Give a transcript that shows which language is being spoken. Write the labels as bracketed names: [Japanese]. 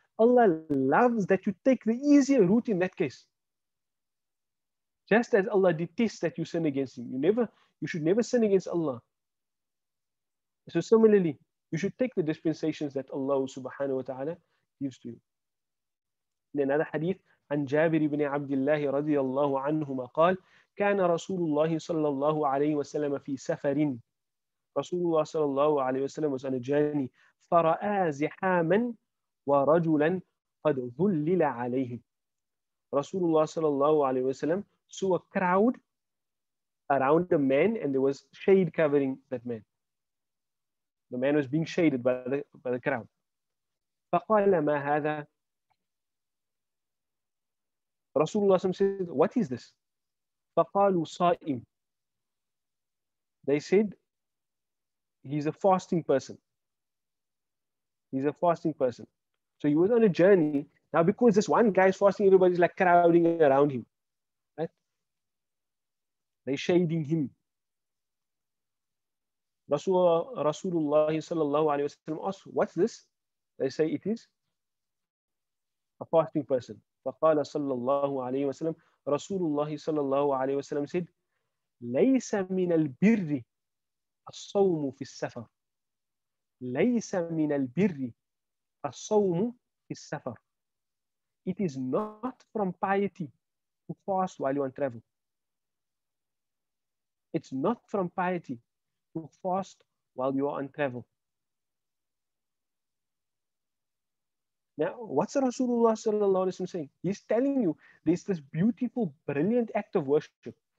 [English] Allah loves that you take the easier route in that case. Just as Allah detests that you sin against him. You should never sin against Allah. So similarly, you should take the dispensations that Allah subhanahu wa ta'ala gives to you. In another hadith, [Arabic] عن جابر بن عبد الله رضي الله عنهما قال كان رسول الله صلى الله عليه وسلم في سفر. رسول الله صلى الله عليه وسلم [English] was on a journey. [Arabic] فرآ زحاما ورجلا قد ظلل عليه. رسول الله صلى الله عليه وسلم [English] saw a crowd around a man and there was shade covering that man. The man was being shaded by the crowd. [Arabic] فقال ما هذا. [English] Rasulullah said, what is this? [Arabic] فَقَالُوا صَائِمٌ. [English] They said, he's a fasting person. So he was on a journey. Now because this one guy is fasting, everybody's like crowding around him. Right? They're shading him. Rasulullah sallallahu alayhi wa sallam asked, what's this? They say, it is a fasting person. [Arabic] فقال صلى الله عليه وسلم رسول الله صلى الله عليه وسلم [English] said [Arabic] ليس من البر الصوم في السفر ليس من البر الصوم في السفر. [English] It is not from piety to fast while you are on travel. It's not from piety to fast while you are on travel. Now, what's Rasulullah sallallahu alayhi wa sallam saying? He's telling you there's this beautiful, brilliant act of worship.